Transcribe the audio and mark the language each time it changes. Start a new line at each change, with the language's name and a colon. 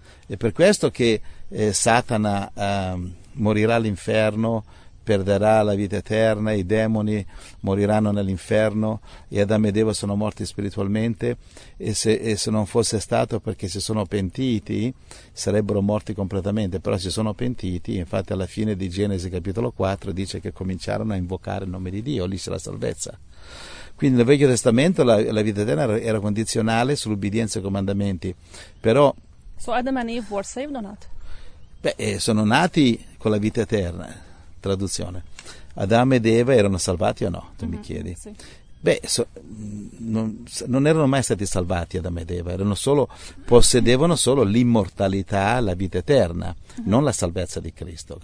Italian: E per questo che Satana morirà all'inferno, perderà la vita eterna, i demoni moriranno nell'inferno e Adamo ed Eva sono morti spiritualmente, e se non fosse stato perché si sono pentiti sarebbero morti completamente, però si sono pentiti. Infatti alla fine di Genesi capitolo 4 dice che cominciarono a invocare il nome di Dio, lì c'è la salvezza. Quindi nel Vecchio Testamento la vita eterna era condizionale sull'ubbidienza ai comandamenti, però...
English: So Adam and Eve were saved or not?
Italian: Beh, sono nati con la vita eterna. Traduzione: Adamo ed Eva erano salvati o no? Tu mi chiedi. Sì. Beh, non erano mai stati salvati Adamo ed Eva, possedevano solo l'immortalità, la vita eterna, non la salvezza di Cristo.